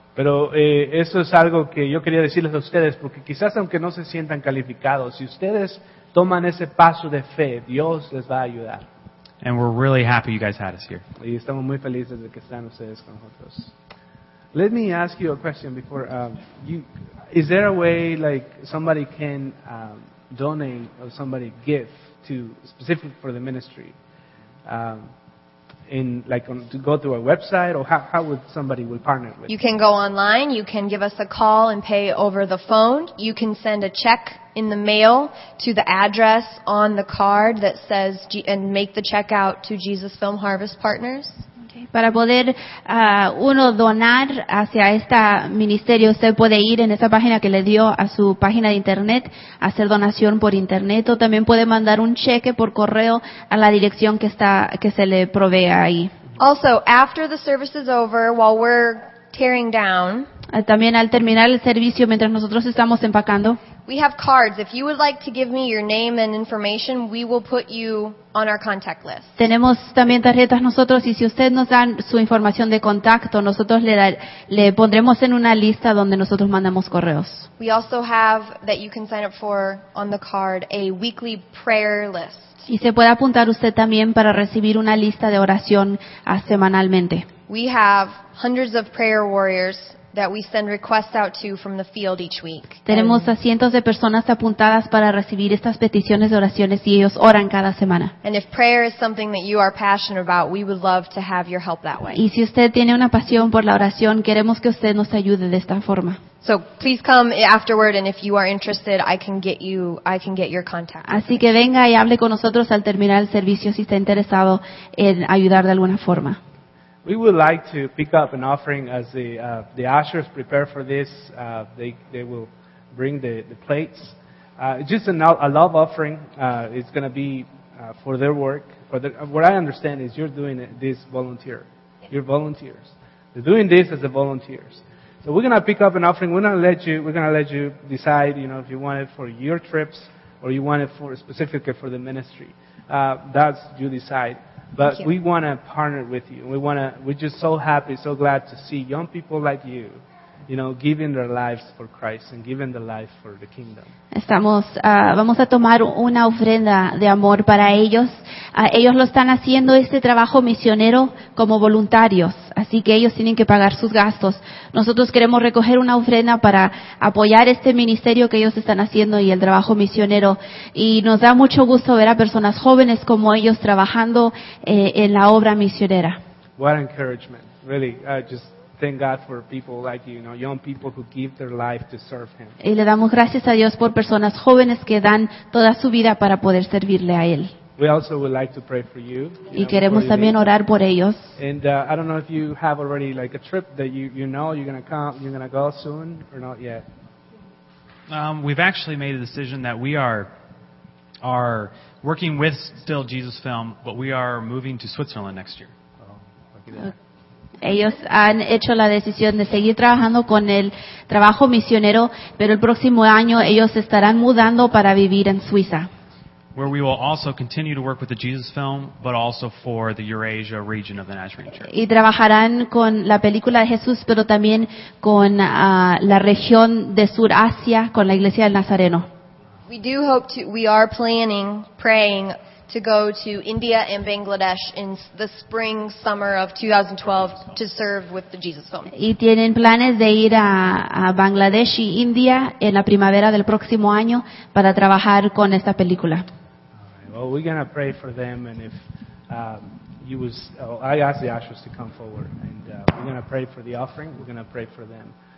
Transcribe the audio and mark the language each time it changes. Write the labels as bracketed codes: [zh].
[es] Pero eso es algo que yo quería decirles a ustedes, porque quizás aunque no se sientan calificados, si ustedes toman ese paso de fe, Dios les va a ayudar. [en] And we're really happy you guys had us here. [es] Y estamos muy felices de que están ustedes con nosotros. [en] Let me ask you a question before you. Is there a way like somebody can donate or somebody give to specific for the ministry? To go through a website, or how would somebody will partner with? You can go online. You can give us a call and pay over the phone. You can send a check in the mail to the address on the card that says and make the check out to Jesus Film Harvest Partners. [es] Para poder uno donar hacia este ministerio, usted puede ir en esa página que le dio a su página de internet, hacer donación por internet, o también puede mandar un cheque por correo a la dirección que se le provee ahí. [en] Also, after the service is over, while we're tearing down, [es] también al terminar el servicio, mientras nosotros estamos empacando, [en] we have cards. If you would like to give me your name and information, we will put you on our contact list. [es] Tenemos también tarjetas nosotros, y si usted nos da su información de contacto, nosotros le pondremos en una lista donde nosotros mandamos correos. [en] We also have that you can sign up for on the card a weekly prayer list. [es] Y se puede apuntar usted también para recibir una lista de oración semanalmente. [en] We have hundreds of prayer warriors that we send requests out to from the field each week. [es] Tenemos a cientos de personas apuntadas para recibir estas peticiones de oraciones, y ellos oran cada semana. [en] And if prayer is something that you are passionate about, we would love to have your help that way. [es] Y si usted tiene una pasión por la oración, queremos que usted nos ayude de esta forma. [en] So please come afterward, and if you are interested, I can get your contact. [es] Así que venga y hable con nosotros al terminar el servicio si está interesado en ayudar de alguna forma. [en] We would like to pick up an offering as the ushers prepare for this. They will bring the plates. Just a love offering. It's going to be for their work. What I understand is you're doing this volunteer. You're volunteers. They're doing this as the volunteers. So we're going to pick up an offering. We're going to let you decide, you know, if you want it for your trips or you want it for specifically for the ministry. That's you decide. But we want to partner with you. We're just so happy, so glad to see young people like you, you know, giving their lives for Christ and giving their life for the kingdom. [es] Vamos a tomar una ofrenda de amor para ellos. Ellos lo están haciendo este trabajo misionero como voluntarios, así que ellos tienen que pagar sus gastos. Nosotros queremos recoger una ofrenda para apoyar este ministerio que ellos están haciendo y el trabajo misionero. Y nos da mucho gusto ver a personas jóvenes como ellos trabajando en la obra misionera. [en] What encouragement, really. Thank God for people like you, you know, young people who give their life to serve Him. [es] Y le damos gracias a Dios por personas jóvenes que dan toda su vida para poder servirle a Él. [en] We also would like to pray for you. [es] Y queremos también orar por ellos. [en] And I don't know if you have already like a trip that you know you're gonna come, you're gonna go soon or not yet. We've actually made a decision that we are working with still Jesus Film, but we are moving to Switzerland next year. Oh, look at that. [es] Ellos han hecho la decisión de seguir trabajando con el trabajo misionero, pero el próximo año ellos estarán mudando para vivir en Suiza. [en] Where we will also continue to work with the Jesus Film, but also for the Eurasia region of the Nazarene Church. [es] Y trabajarán con la película de Jesús, pero también con la región de Sur Asia, con la Iglesia del Nazareno. [en] We are planning, praying to go to India and Bangladesh in the spring, summer of 2012 to serve with the Jesus Film. [es] Y tienen planes de ir a Bangladesh y India en la primavera del próximo año para trabajar con esta película. [en] Well, we're going to pray for them, and if you was, oh, I asked the ushers to come forward, and we're going to pray for the offering, we're going to pray for them.